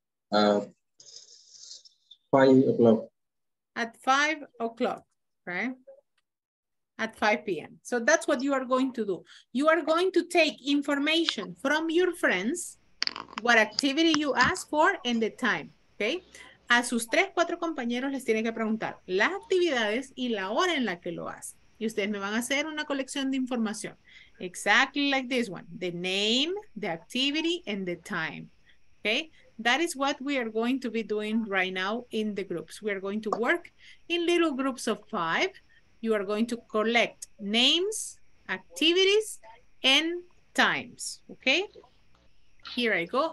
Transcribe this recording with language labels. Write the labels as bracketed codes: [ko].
[en] 5 o'clock. At 5 o'clock, right? At 5 p.m. So that's what you are going to do. You are going to take information from your friends, what activity you ask for, and the time, okay? [es] A sus tres, cuatro compañeros les tienen que preguntar las actividades y la hora en la que lo hacen. Y ustedes me van a hacer una colección de información. [en] Exactly like this one. The name, the activity, and the time, okay? That is what we are going to be doing right now in the groups. We are going to work in little groups of five. You are going to collect names, activities, and times, okay? Here I go.